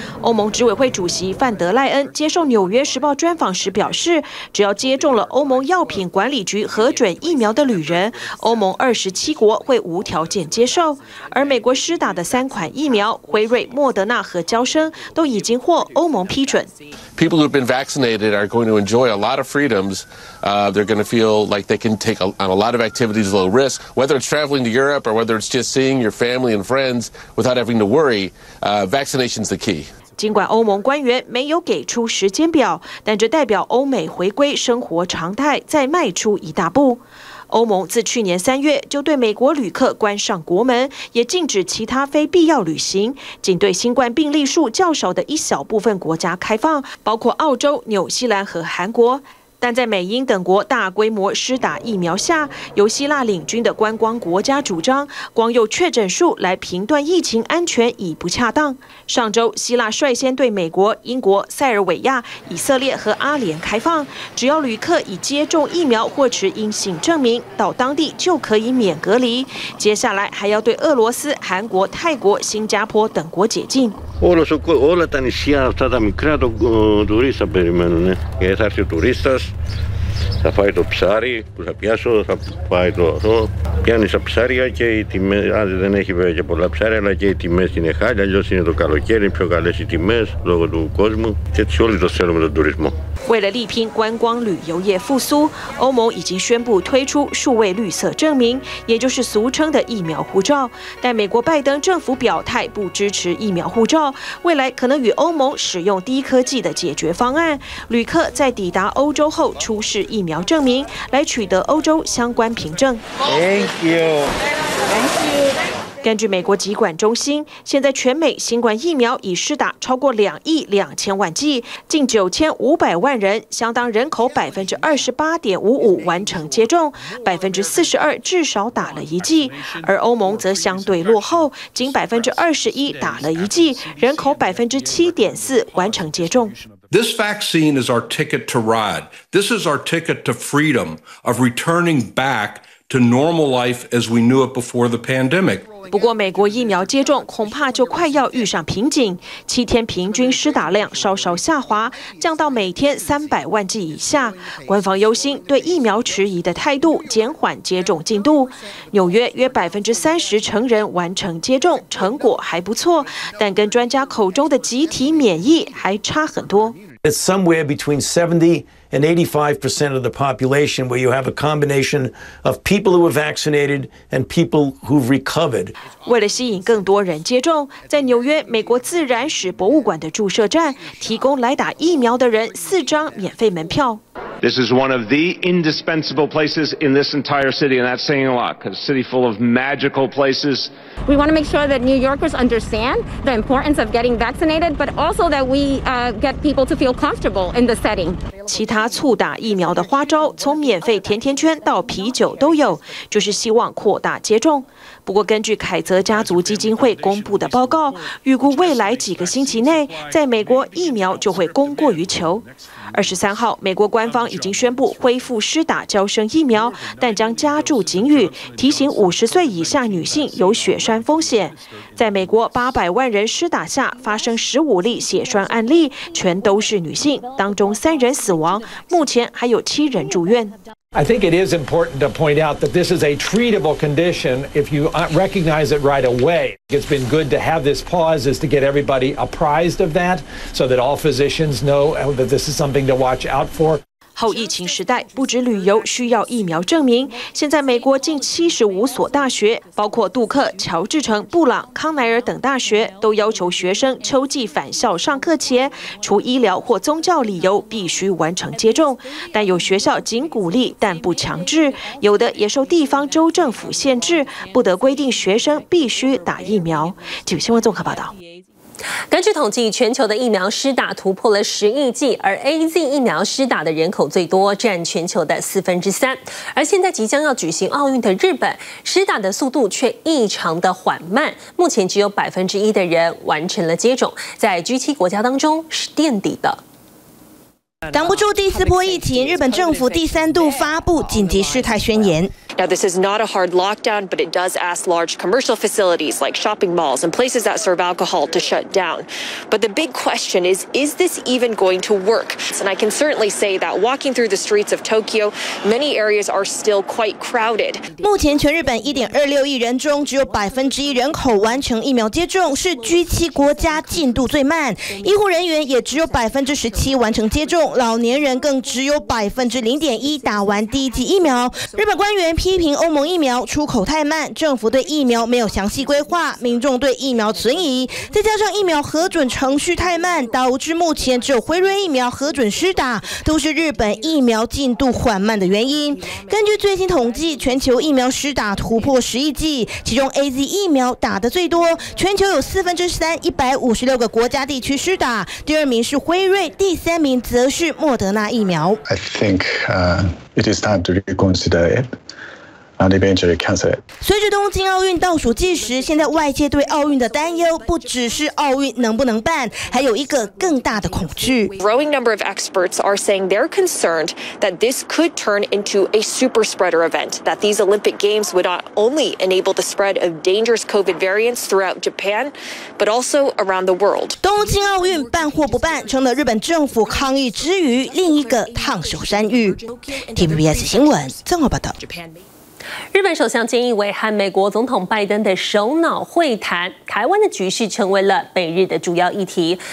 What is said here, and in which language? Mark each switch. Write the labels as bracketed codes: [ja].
[zh] 欧盟执委会主席范德赖恩接受《纽约时报》专访时表示，只要接种了欧盟药品管理局核准疫苗的旅人，欧盟27国会无条件接受。而美国施打的3款疫苗，辉瑞、莫德纳和娇生，都已经获欧盟批准。 [en] People who've been vaccinated are going to enjoy a lot of freedoms. They're going to feel like they can take on a lot of activities low risk, whether it's traveling to Europe or whether it's just seeing your family and friends without having to worry. Vaccination's the key. [zh] 尽管欧盟官员没有给出时间表，但这代表欧美回归生活常态再迈出一大步。欧盟自去年3月就对美国旅客关上国门，也禁止其他非必要旅行，仅对新冠病例数较少的一小部分国家开放，包括澳洲、纽西兰和韩国。但在美英等国大规模施打疫苗下，由希腊领军的观光国家主张光用确诊数来评断疫情安全已不恰当。上周希腊率先对美国、英国、塞尔维亚、以色列和阿联开放，只要旅客已接种疫苗或持阴性证明，到当地就可以免隔离。接下来还要对俄罗斯、韩国、泰国、新加坡等国解禁。 [el] Όλα τα νησιά αυτά τα μικρά τουρίστα περιμένουν. Γιατί θα έρθει ο τουρίστας, θα φάει το ψάρι που θα πιάσω, θα πάει το αυτό. Πιάνει τα ψάρια και οι τιμές, αν δεν έχει βέβαια και πολλά ψάρια, αλλά και οι τιμές είναι χάλια. Αλλιώς είναι το καλοκαίρι, πιο καλές οι τιμές λόγω του κόσμου. Και έτσι όλοι το θέλουμε τον τουρισμό. [zh] 为了力拼观光旅游业复苏，欧盟已经宣布推出数位绿色证明，也就是俗称的疫苗护照。但美国拜登政府表态不支持疫苗护照，未来可能与欧盟使用低科技的解决方案，旅客在抵达欧洲后出示疫苗证明，来取得欧洲相关凭证。 [en] Thank you. Thank you. [zh] 根据美国疾管中心，现在全美新冠疫苗已施打超过2亿2000万剂，近9500万人，相当人口28.55%完成接种，42%至少打了一剂。而欧盟则相对落后，仅21%打了一剂，人口7.4%完成接种。 [en] This vaccine is our ticket to ride. This is our ticket to freedom of returning back to normal life as we knew it before the pandemic. [zh] 不过美国疫苗接种恐怕就快要遇上瓶颈，7天平均施打量稍稍下滑，降到每天300万剂以下。官方忧心对疫苗迟疑的态度减缓接种进度。纽约约30%成人完成接种，成果还不错，但跟专家口中的集体免疫还差很多。 [en] It's somewhere between 70% and 85% of the population where you have a combination of people who are vaccinated and people who've recovered. [zh] 为了吸引更多人接种，在纽约美国自然史博物馆的注射站提供来打疫苗的人4张免费门票。 [en] This is one of the indispensable places in this entire city, and that's saying a lot, because a city full of magical places. We want to make sure that New Yorkers understand the importance of getting vaccinated, but also that we get people to feel comfortable in the setting. [zh] 其他促打疫苗的花招，从免费甜甜圈到啤酒都有，就是希望扩大接种。不过根据凯泽家族基金会公布的报告，预估未来几个星期内在美国疫苗就会供过于求。 23号，美国官方已经宣布恢复施打娇生疫苗，但将加注警语，提醒50岁以下女性有血栓风险。在美国800万人施打下，发生15例血栓案例，全都是女性，当中3人死亡，目前还有7人住院。 [en] I think it is important to point out that this is a treatable condition if you recognize it right away. It's been good to have this pause is to get everybody apprised of that so that all physicians know that this is something to watch out for. [zh] 后疫情时代，不止旅游需要疫苗证明。现在美国近75所大学，包括杜克、乔治城、布朗、康奈尔等大学，都要求学生秋季返校上课前，除医疗或宗教理由，必须完成接种。但有学校仅鼓励但不强制，有的也受地方州政府限制，不得规定学生必须打疫苗。据新闻综合报道。根据统计，全球的疫苗施打突破了10亿剂，而 AZ 疫苗施打的人口最多，占全球的3/4。而现在即将要举行奥运的日本，施打的速度却异常的缓慢，目前只有1%的人完成了接种，在 G7 国家当中是垫底的。挡不住第四波疫情，日本政府第三度发布紧急事态宣言。 [en] Now this is not a hard lockdown, but it does ask large commercial facilities like shopping malls and places that serve alcohol to shut down. But the big question is this even going to work? And I can certainly say that walking through the streets of Tokyo, many areas are still quite crowded. [zh] 目前全日本1.26亿人中，只有1%人口完成疫苗接种，是 G7 国家进度最慢。医护人员也只有17%完成接种。老年人更只有0.1%打完第一剂疫苗。日本官员批评欧盟疫苗出口太慢，政府对疫苗没有详细规划，民众对疫苗存疑，再加上疫苗核准程序太慢，导致目前只有辉瑞疫苗核准施打，都是日本疫苗进度缓慢的原因。根据最新统计，全球疫苗施打突破10亿剂，其中 AZ 疫苗打得最多，全球有3/4，156个国家地区施打，第二名是辉瑞，第三名则是莫德纳疫苗。 [en] I think, it is time to reconsider it. [zh] 随着东京奥运倒数计时，现在外界对奥运的担忧不只是奥运能不能办，还有一个更大的恐惧。 [en] Growing number of experts are saying they're concerned that this could turn into a super spreader event. That these Olympic Games would not only enable the spread of dangerous COVID variants throughout Japan, but also around the world. [zh] 东京奥运办或不办，成了日本政府抗议之余另一个烫手山芋。 TVBS 新闻综合报道。日本首相菅义伟和美国总统拜登的首脑会谈，台湾的局势成为了美日的主要议题。